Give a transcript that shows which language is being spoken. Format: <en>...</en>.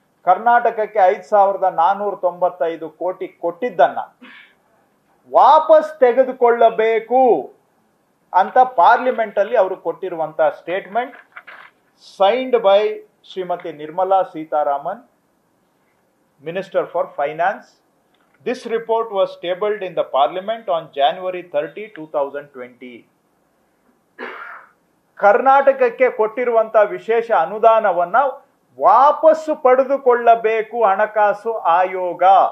<kn>ಕರ್ನಾಟಕಕ್ಕೆ 5,495 crores ಕೊಟ್ಟಿದ್ದನ್ನ ವಾಪಸ್ ತೆಗೆದುಕೊಳ್ಳಬೇಕು ಅಂತ ಪಾರ್ಲಿಮೆಂಟ್ ಅಲ್ಲಿ ಅವರು ಕೊಟ್ಟಿರುವಂತಹ statement</kn> <en>signed by</en> <kn>Shrimati Nirmala Sitharaman,</kn> <en>Minister for finance. This report was tabled in the parliament on January 30, 2020.</en> <kn>ಕರ್ನಾಟಕಕ್ಕೆ ಕೊಟ್ಟಿರುವಂತಹ ವಿಶೇಷ ಅನುದಾನವನ್ನ ವಾಪಸ್ಸು ಪಡೆದುಕೊಳ್ಳಬೇಕು ಹಣಕಾಸು ಆಯೋಗ.</kn>